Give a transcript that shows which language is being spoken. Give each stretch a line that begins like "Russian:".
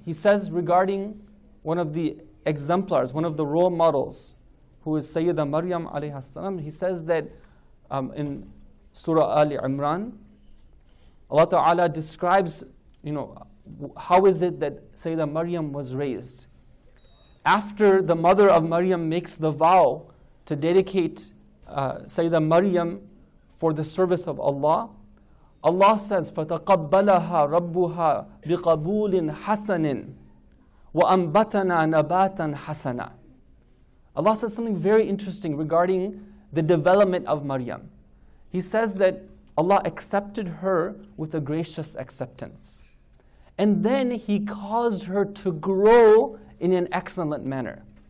English: He says regarding one of the exemplars, one of the role models, who is Sayyida Maryam alayhi salam, He says that in Surah Ali Imran, Allah Ta'ala describes, you know, how is it that Sayyida Maryam was raised. After the mother of Maryam makes the vow to dedicate Sayyida Maryam for the service of Allah, Allah says,
Arabic: فَتَقَبَّلَهَا رَبُّهَا بِقَبُولٍ حَسَنٍ وَأَنْبَتَنَا نَبَاتًا حَسَنًا.
English: Allah says something very interesting regarding the development of Maryam. He says that Allah accepted her with a gracious acceptance. And then He caused her to grow in an excellent manner.